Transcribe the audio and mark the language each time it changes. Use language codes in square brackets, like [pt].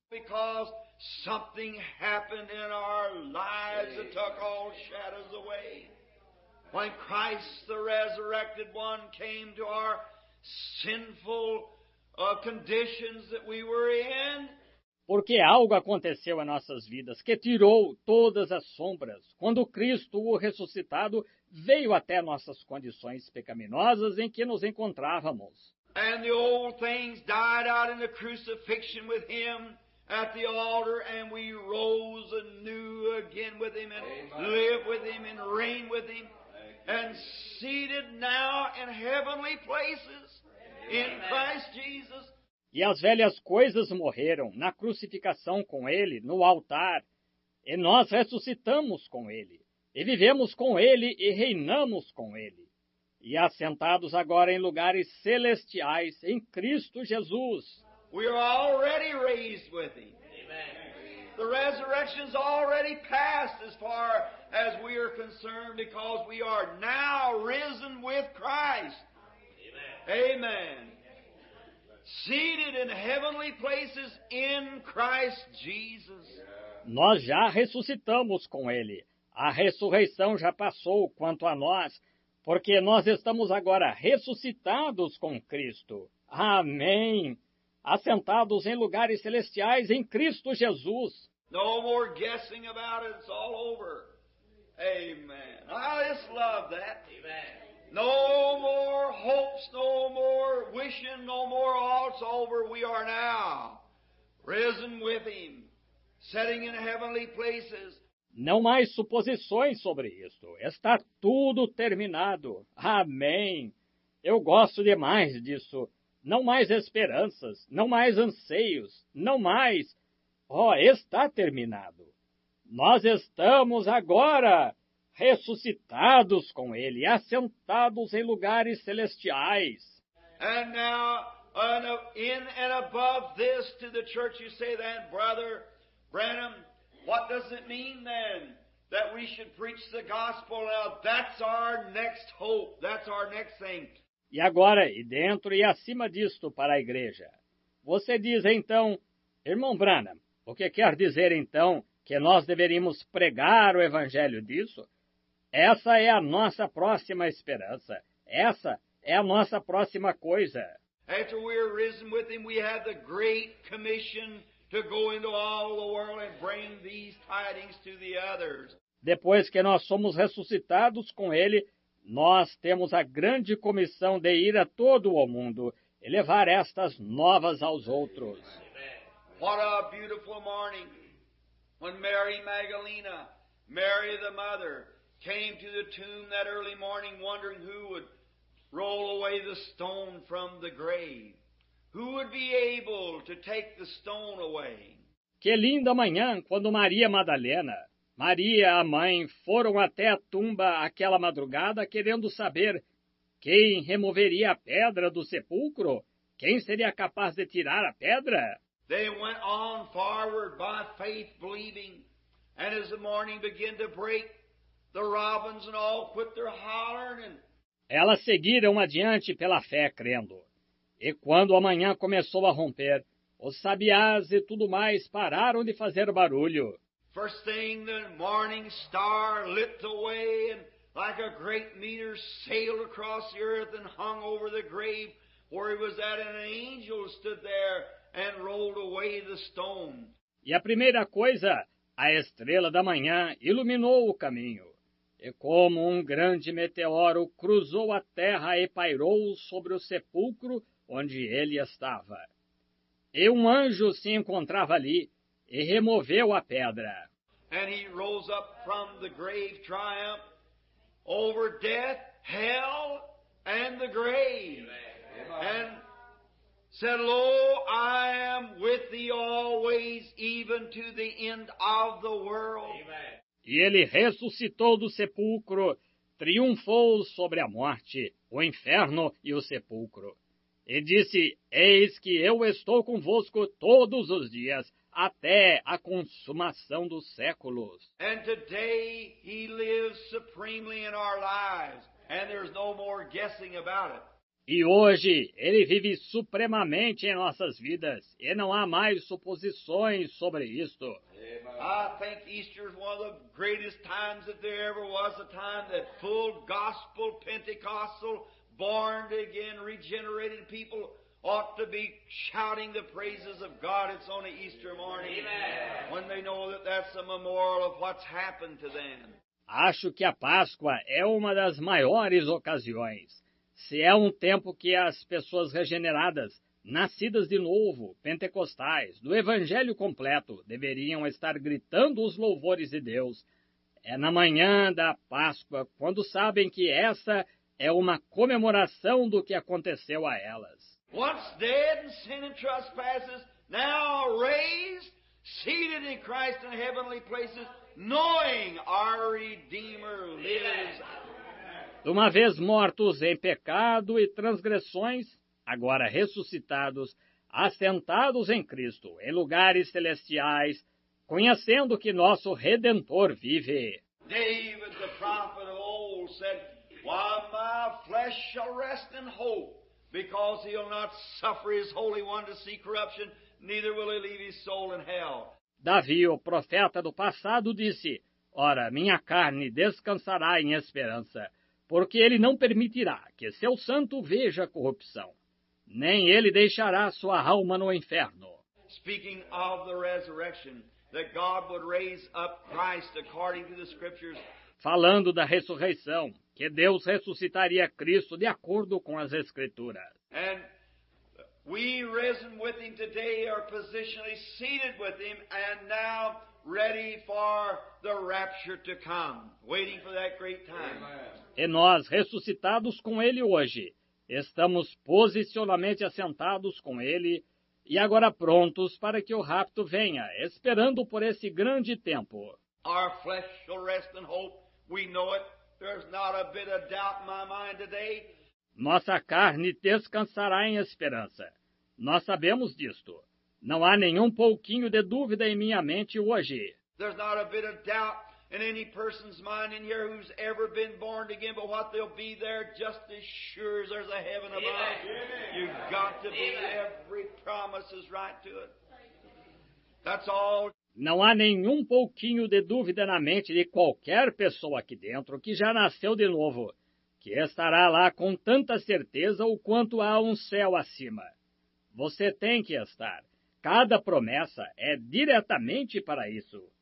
[en] Because something happened in our lives that took all shadows away. When Christ the resurrected one came to our sinful conditions that we were in. [pt] Porque algo aconteceu em nossas vidas que tirou todas as sombras quando Cristo, o ressuscitado, veio até nossas condições pecaminosas em que nos encontrávamos. [en] And the old things died out in the crucifixion with him at the altar, and we rose anew again with him and live with him and reign with him and seated now in heavenly places in Christ Jesus. [pt] E as velhas coisas morreram na crucificação com ele no altar, e nós ressuscitamos com ele, e vivemos com ele e reinamos com ele. E assentados agora em lugares celestiais em Cristo Jesus. [en] We are already raised with him. Amen. The resurrection's already passed as far as we are concerned, because we are now risen with Christ. Amen. Amen. Seated in heavenly places in Christ Jesus. [pt] Nós já ressuscitamos com ele. A ressurreição já passou quanto a nós, porque nós estamos agora ressuscitados com Cristo. Amém. Assentados em lugares celestiais em Cristo Jesus. [en] No more guessing about it. It's all over. Amen. I just love that. Amen. No more hopes, no more wishing, no more all, it's over. We are now risen with him, sitting in heavenly places. [pt] Não mais suposições sobre isto. Está tudo terminado. Amém. Eu gosto demais disso. Não mais esperanças, não mais anseios, não mais. Oh, está terminado. Nós estamos agora ressuscitados com ele, assentados em lugares celestiais. [en] And now, in and above this, to the church, you say then, Brother Branham, what does it mean then that we should preach the gospel now? That's our next hope. That's our next thing. [pt] E agora, e dentro e acima disto para a igreja, você diz então, Irmão Branham, o que quer dizer então que nós deveríamos pregar o evangelho disso? Essa é a nossa próxima esperança. Essa é a nossa próxima coisa. [en] After we are risen with him, we have the great commission to go into all the world and bring these tidings to the others. [pt] Depois que nós somos ressuscitados com ele, nós temos a grande comissão de ir a todo o mundo e levar estas novas aos outros. [en] What a beautiful morning when Mary Magdalena, Mary the mother, came to the tomb that early morning wondering who would roll away the stone from the grave. Who would be able to take the stone away? [pt] Que linda manhã quando Maria Madalena, Maria a mãe, foram até a tumba aquela madrugada querendo saber quem removeria a pedra do sepulcro, quem seria capaz de tirar a pedra. [en] They went on forward by faith believing, and as the morning began to break, the robins and all quit their hollering. [pt] Elas seguiram adiante pela fé, crendo. E quando a manhã começou a romper, os sabiás e tudo mais pararam de fazer barulho. [en] First thing the morning star lit the way, and like a great meteor sailed across the earth and hung over the grave where he was at, and an angel stood there and rolled away the stone. [pt] E a primeira coisa, a estrela da manhã iluminou o caminho. E como um grande meteoro cruzou a terra e pairou sobre o sepulcro onde ele estava. E um anjo se encontrava ali e removeu a pedra. [en] And he rose up from the grave triumph over death, hell and the grave. And said, Lo, I am with thee always, even to the end of the world. Amen. [pt] E ele ressuscitou do sepulcro, triunfou sobre a morte, o inferno e o sepulcro. E disse, eis que eu estou convosco todos os dias, até a consumação dos séculos. [en] And today he lives supremely in our lives, and there's no more guessing about it. [pt] E hoje ele vive supremamente em nossas vidas, e não há mais suposições sobre isto. [en] I think Easter is one of the greatest times that there ever was, a time that full gospel, Pentecostal, born again, regenerated people ought to be shouting the praises of God. It's on an Easter morning. Amen. When they know that that's a memorial of what's happened to them. [pt] Acho que a Páscoa é uma das maiores ocasiões. Se é um tempo que as pessoas regeneradas, nascidas de novo, pentecostais, do Evangelho completo, deveriam estar gritando os louvores de Deus, é na manhã da Páscoa, quando sabem que essa é uma comemoração do que aconteceu a elas. [en] Once dead in sin and trespasses, now raised, seated in Christ in heavenly places, knowing our Redeemer lives. [pt] De uma vez mortos em pecado e transgressões, agora ressuscitados, assentados em Cristo, em lugares celestiais, conhecendo que nosso Redentor vive. [en] David, the prophet of old, said, while my flesh shall rest in hope, because he'll not suffer his holy one to see corruption, neither will he leave his soul in hell. [pt] Davi, o profeta do passado, disse, ora, minha carne descansará em esperança, porque ele não permitirá que seu santo veja a corrupção, nem ele deixará sua alma no inferno. [en] Speaking of the resurrection, that God would raise up Christ according to the scriptures. [pt] Falando da ressurreição, que Deus ressuscitaria Cristo de acordo com as Escrituras. [en] And we risen with him today, are positionally seated with him, and now ready for the rapture to come, waiting for that great time. [pt] E nós, ressuscitados com ele hoje, estamos posicionalmente assentados com ele, e agora prontos para que o rapto venha, esperando por esse grande tempo. [en] Our flesh shall rest in hope. We know it. There's not a bit of doubt in my mind today. [pt] Nossa carne descansará em esperança. Nós sabemos disto. Não há nenhum pouquinho de dúvida em minha mente hoje. [en] There's not a bit of doubt in any person's mind in here who's ever been born again, but what they'll be there just as sure as there's a heaven above. Amen. You've got to be. Amen. Every promise is right to it. That's all. [pt] Não há nenhum pouquinho de dúvida na mente de qualquer pessoa aqui dentro que já nasceu de novo, que estará lá com tanta certeza o quanto há um céu acima. Você tem que estar. Cada promessa é diretamente para isso.